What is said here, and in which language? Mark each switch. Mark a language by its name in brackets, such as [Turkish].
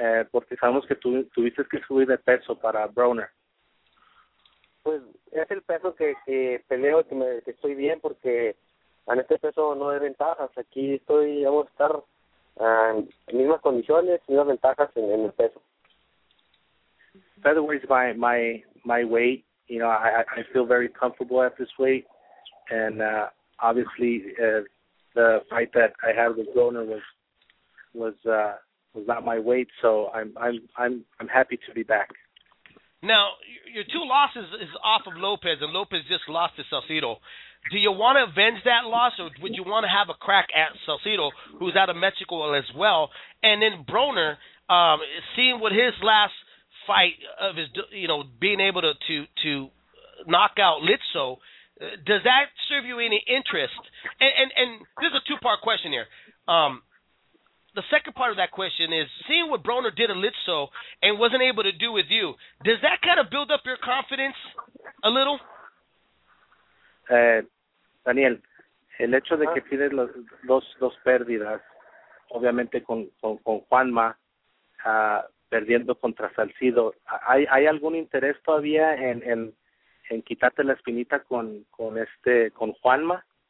[Spanish] Porque sabemos que tuviste que subir de peso para Broner. Pues es el peso que peleo, que estoy bien, porque en este peso no hay ventajas. Aquí estoy, vamos a estar en mismas condiciones, mismas ventajas en el peso. [English] Featherweight is my weight. You know, I feel very comfortable at this weight. And obviously, the fight that I had with Broner was not my weight, so I'm happy to be back. Now, your two losses is off of Lopez, and Lopez just lost to Salcido. Do you want to avenge that loss, or would you want to have a crack at Salcido, who's out of Mexico as well? And then Broner, seeing what his last fight of his, you know, being able to knock out Litso, does that serve you any interest? And this is a two-part question here. The second part of that question is, seeing what Broner did to Litso and wasn't able to do with you, does that kind of build up your confidence a little? [Spanish] Daniel, el hecho de que tienes dos pérdidas, obviamente con Juanma, perdiendo contra Salcido, ¿hay algún interés todavía en quitarte la espinita con Juanma?